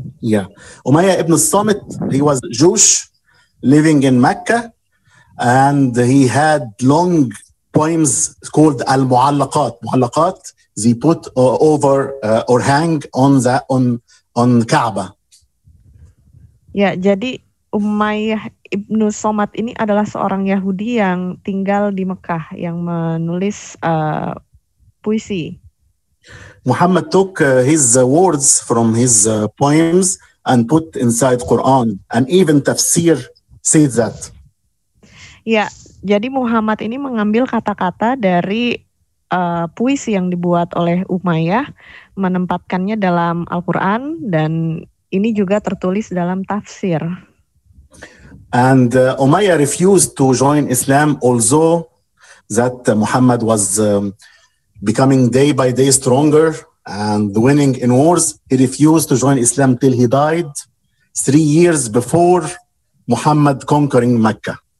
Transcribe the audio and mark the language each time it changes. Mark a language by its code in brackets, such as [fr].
[en] Ya, Umayyah ibn Samit, he was Jewish living in Mecca, and he had long poems called Al-Mu'allaqat. Mu'allaqat, he put over or hang on the on Kaaba. [id] Ya, jadi Umayyah ibn Samit ini adalah seorang Yahudi yang tinggal di Mekah yang menulis puisi. [en] Muhammad took his words from his poems and put inside Quran, and even tafsir says that. [id] Ya, jadi Muhammad ini mengambil kata-kata dari puisi yang dibuat oleh Umayyah, menempatkannya dalam Al-Quran, dan ini juga tertulis dalam tafsir. [en] And Umayyah refused to join Islam, although that Muhammad was becoming day by day stronger and winning in wars. He refused to join Islam till he died, 3 years before Muhammad conquering Mecca.